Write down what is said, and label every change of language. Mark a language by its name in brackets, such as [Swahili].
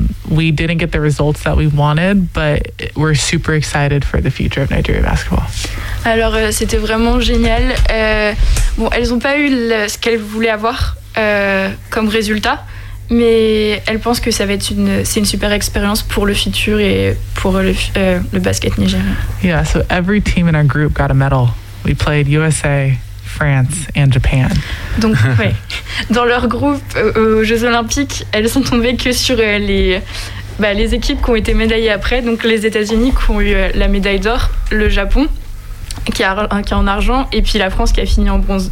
[English] We didn't get the results that we wanted, but we're super excited for the future of Nigeria basketball. [French] Alors, c'était vraiment génial. Bon, elles n'ont pas eu ce qu'elles voulaient avoir comme résultat. mais elle pense que ça va être c'est une super expérience pour le futur et pour le basket nigérien. [English] Yeah, so every team in our group got a medal. We played USA, France and Japan. [French] Donc ouais, dans leur groupe aux Jeux Olympiques, elles sont tombées que sur les équipes qui ont été médaillées après, donc les États-Unis qui ont eu la médaille d'or, le Japon qui est en argent, et puis la France qui a fini en bronze.